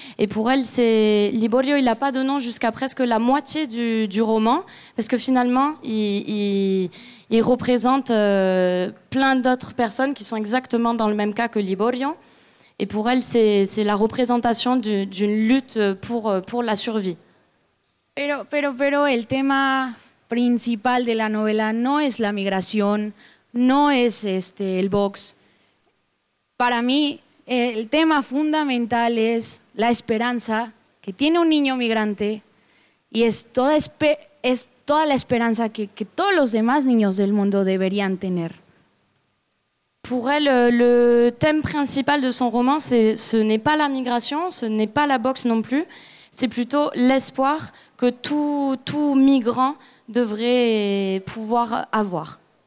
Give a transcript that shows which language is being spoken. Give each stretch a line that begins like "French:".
French: Et pour elle, c'est Liborio, il n'a pas de nom jusqu'à presque la moitié du roman, parce que finalement, il représente plein d'autres personnes qui sont exactement dans le même cas que Liborio. Et pour elle, c'est la représentation d'une lutte pour la survie.
Spanish: Pero el tema principal de la novela no es la migración, no es el Vox. Para mí, el tema fundamental es la esperanza que tiene un niño migrante y es toda la esperanza que todos los demás niños del mundo deberían tener.
French: Pour elle, le thème principal de son roman, ce n'est pas la migration, ce n'est pas la boxe non plus, c'est plutôt l'espoir que tout migrant devrait pouvoir avoir.